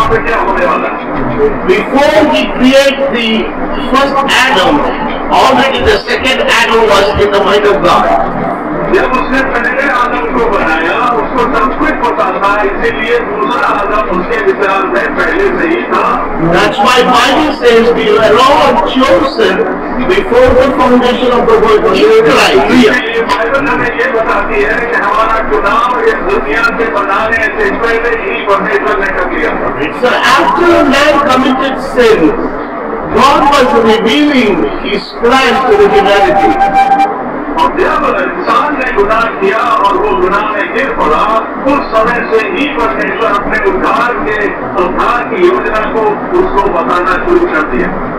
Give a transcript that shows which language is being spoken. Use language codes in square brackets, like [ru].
[en] Before He created the first Adam, already the second Adam was in the mind of God. [hi] जब उसने पहले आदम को बनाया, उसको सब कुछ पता था, इसलिए दूसरा आदम उसके विचार में पहले से ही था। [en] That's why Bible says we were all chosen before the foundation of the world. [hi] इसलिए बाइबल हमें ये बताती है कि हमारा चुनाव ये दुनिया से बनाने से पहले ही परमेश्वर ने कर लिया था। [en] So after man committed sin, God was revealing His plan to the humanity. [hi] और जब इंसान ने गुनाह किया और वो गुनाह में गिर पड़ा, उस समय से ही परमेश्वर अपने उद्धार के उद्धार की योजना को उसको बताना शुरू कर दिया।